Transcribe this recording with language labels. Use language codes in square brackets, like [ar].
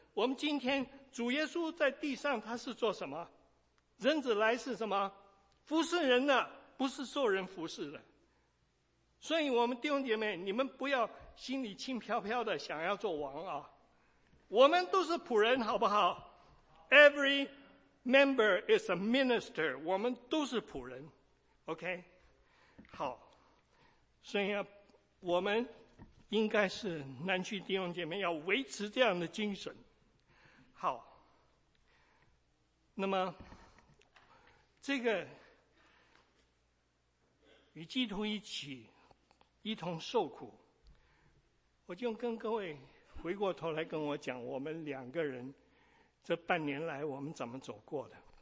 [zh] 我们今天主耶稣在地上他是做什么？人子来是什么？服侍人的，不是受人服侍的。所以我们弟兄姐妹，你们不要心里轻飘飘的想要做王啊，我们都是仆人好不好？ [en] Every member is a minister， [zh] 我们都是仆人。 OK， 好，所以我们应该是南区弟兄姐妹要维持这样的精神。好，那么这个与基督一起一同受苦，我就跟各位回过头来跟我讲，我们两个人这半年来我们怎么走过的。